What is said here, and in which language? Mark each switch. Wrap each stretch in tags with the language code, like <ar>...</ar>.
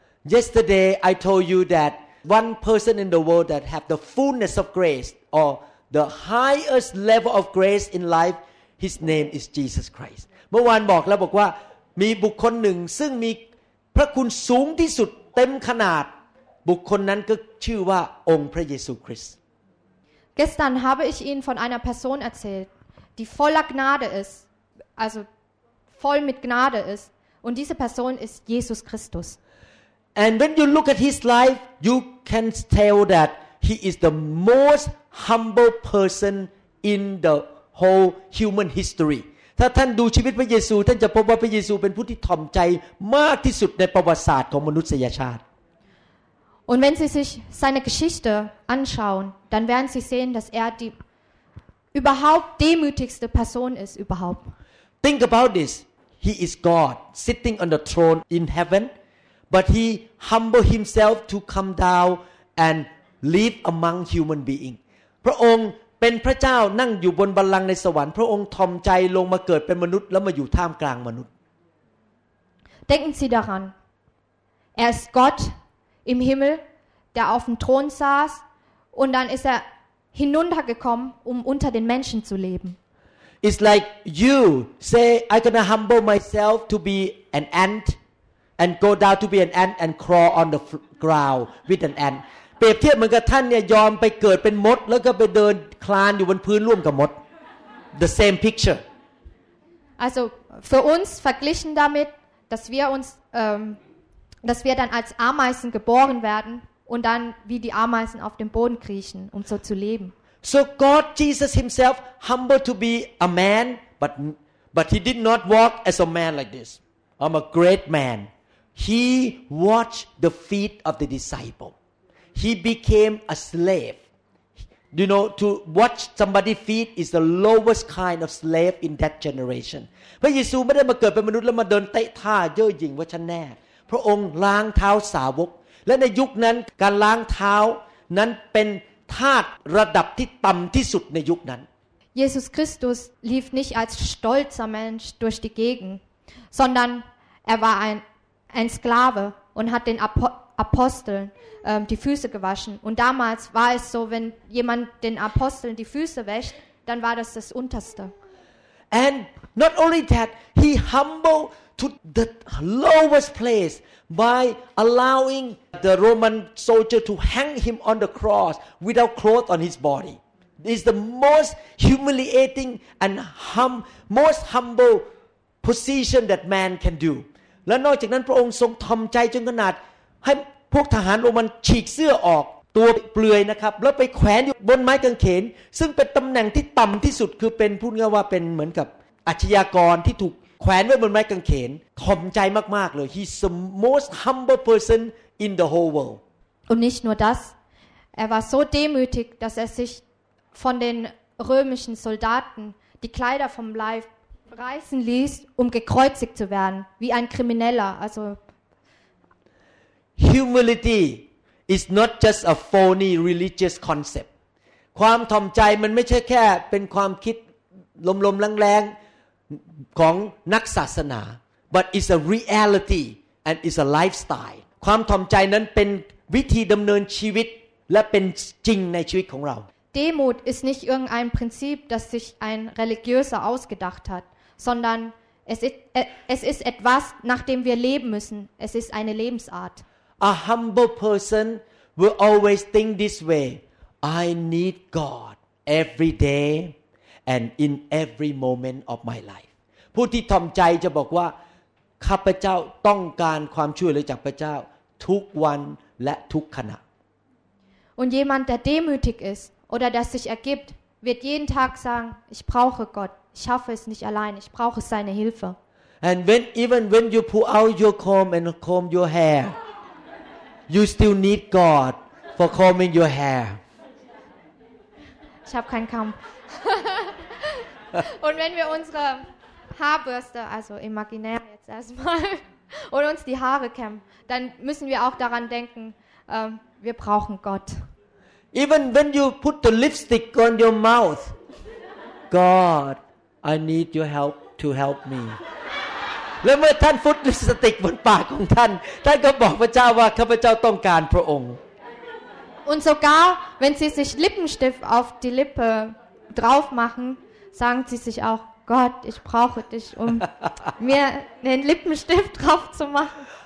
<en>Yesterday I told you that one person in the world that have the fullness of graceOr the highest level of grace in life, his name is Jesus Christ.</en> <th>เมื่อวานบอกแล้วบอกว่ามีบุคคลหนึ่งซึ่งมีพระคุณสูงที่สุดเต็มขนาดบุคคลนั้นก็ชื่อว่าองค์พระเยซูคริสต์</th> <de>Gestern habe ich Ihnen von einer Person erzählt, die voller Gnade ist, also voll mit Gnade ist, und diese Person ist Jesus Christus.</de> <en>And when you look at his life, you can tell that he is the mosthumble person in the whole human history</en> <th>ถ้าท่านดูชีวิตพระเยซูท่านจะพบว่าพระเยซูเป็นผู้ที่ถ่อมใจมากที่สุดในประวัติศาสตร์ของมนุษยชาติ</th> <de>Und wenn Sie sich seine Geschichte anschauen, dann werden Sie sehen, dass er die überhaupt demütigste Person ist überhaupt.</de> <en>Think about this. He is God sitting on the throne in heaven, but he humbled himself to come down and live among human beings.</en> <th>พระองค์เป็นพระเจ้านั่งอยู่บนบัลลังก์ในสวรรค์พระองค์ทอมใจลงมาเกิดเป็นมนุษย์แล้วมาอยู่ท่ามกลางมนุษย์</th> <de>Denken Sie daran. Er ist Gott im Himmel, der auf dem Thron saß und dann ist er hinuntergekommen, um unter den Menschen zu leben.</de> <en>It's like you say, I'm gonna humble myself to be an ant and go down to be an ant and crawl on the ground with an ant.</en> <th>เปรียบเทียบเหมือนกับท่านเนี่ยยอมไปเกิดเป็นมดแล้วก็ไปเดินคลานอยู่บนพื้นร่วมกับมด</th> <en>The same picture.</en> <de>Also für uns verglichen damit, dass wir uns, dass wir dann als Ameisen geboren werden und dann wie die Ameisen auf dem Boden kriechen, um so zu leben.</de> <en>So God Jesus himself humbled to be a man, but he did not walk as a man like this. I'm a great man. He washed the feet of the disciple. He became a slave. You know, to wash somebody's feet is the lowest kind of slave in that generation.</en> <th>พระเยซูไม่ได้มาเกิดเป็นมนุษย์แล้วมาเดินเตะท่าเย่อหยิ่งว่าฉันแน่พระองค์ล้างเท้าสาวกและในยุคนั้นการล้างเท้านั้นเป็นทาสระดับที่ต่ำที่สุดในยุคนั้น</th> <de>Jesus Christus lief nicht als stolzer Mensch durch die Gegend, sondern er war ein Sklave und hat den Aposteln die Füße gewaschen. Und damals war es so, wenn jemand den Aposteln die Füße wäscht, dann war das das Unterste.</de> <en>And not only that, he humbled to the lowest place by allowing the Roman soldier to hang him on the cross without clothes on his body. It's the most humiliating and most humble position that man can do.</en> <th>และนอกจากนั้นพระองค์ทรงทอมใจจนขนาดให้พวกทหารโรมันฉีกเสื้อออกตัวเปลือยนะครับแล้วไปแขวนอยู่บนไม้กางเขนซึ่งเป็นตำแหน่งที่ต่ำที่สุดคือเป็นพูดง่ายว่าเป็นเหมือนกับอาชญากรที่ถูกแขวนไว้บนไม้กางเขนทอมใจมากๆเลย</th> <en>He's the most humble person in the whole world</en> <de>und nicht nur das er war so demütig dass er sich von den römischen Soldaten die Kleider vom Leib reißen ließ um gekreuzigt zu werden wie ein Krimineller alsoh</de> <en>umility is not just a phony religious concept</en> <th>ความถ่อมใจมันไม่ใช่แค่เป็นความคิดลมๆแรงๆของนักศาสนา</th> <en>but it's a reality and it's a lifestyle</en> <th>ความถ่อมใจนั้นเป็นวิธีดำเนินชีวิตและเป็นจริงในชีวิตของเรา</th> <de>Demut ist nicht irgendein Prinzip das sich ein religiöser ausgedacht hat sondern es ist etwas nach dem wir leben müssen es ist eine Lebensart</de> <en>A humble person will always think this way. I need God every day and in every moment of my life.</en> <th>ผู้ที่ทอมใจจะบอกว่าข้าพเจ้าต้องการความช่วยเหลือจากพระเจ้าทุกวันและทุกขณะ</th> <de>Und jemand der demütig ist oder der sich ergibt, wird jeden Tag sagen, ich brauche Gott. Ich schaffe es nicht allein, ich brauche seine Hilfe.</de> <en>And even when you pull out your comb and comb your hairYou still need God for combing your hair.</en> <de>Ich habe keinen Kamm. Und wenn wir unsere Haarbürste, also imaginär jetzt erstmal, und uns die Haare kämmen, dann müssen wir auch daran denken, wir brauchen Gott.</de> <en>Even when you put the lipstick on your mouth, God, I need your help to help me.</en> <th>และเมื่อท่านฟุตลิปสติกบนปากของท่านท่านก็บอกพระเจ้าว่าข้าพเจ้าต้องการพระองค์</th> <de>Und sogar wenn sie sich Lippenstift auf die Lippe drauf machen sagen sie sich auch Gott ich brauche dich um mir den Lippenstift drauf zu machen</de>